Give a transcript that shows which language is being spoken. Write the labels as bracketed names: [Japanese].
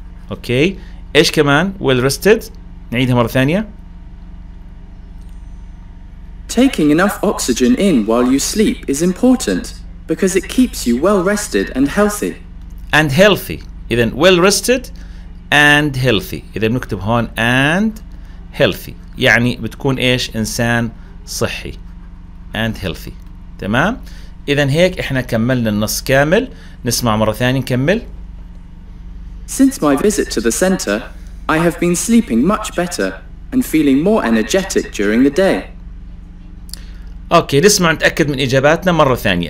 [Arabic] Okay إيش كمان [English] well rested؟ [Arabic] نعيدها مرة ثانية. [English] Taking enough oxygen in while you sleep is important because it keeps you well rested and healthy. And healthy. إذا well rested and healthy. [Arabic] إذا بنكتب هون [English] and healthy. [Arabic] يعني بتكون إيش إنسان صحي. [English] And healthy. [Arabic] تمام؟ إذا هيك إحنا كملنا النص كامل. نسمع مرة ثانية نكمل. [English] Since my visit to the center, I have been sleeping much better and feeling more energetic during the day. [Arabic] اوكي نسمع نتأكد من إجاباتنا مرة ثانية.